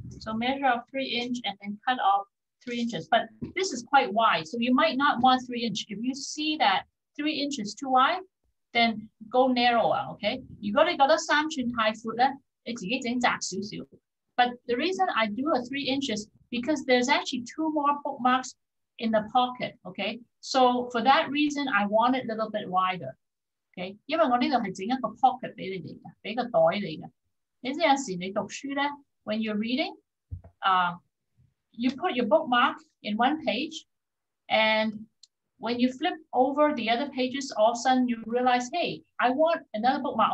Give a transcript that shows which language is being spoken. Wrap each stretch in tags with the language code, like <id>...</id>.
<en>So measure of 3 inch and then cut off 3 inches. But this is quite wide, so you might not want 3 inch. If you see that 3 inch is too wide, then go narrower, okay?</en> <yue>如果你覺得三寸太闊咧，你自己整窄少少。</yue> <en>But the reason I do a 3 inch is because there's actually two more bookmarks in the pocket, okay? So for that reason, I want it a little bit wider. Okay,</en> <yue>因為我呢度係整一個 pocket 俾你哋嘅，俾個袋你嘅。你知有時你讀書咧，</yue> <en>when you're reading, you put your bookmark in one page, and when you flip over the other pages, all of a sudden you realize, hey, I want another bookmark.</en>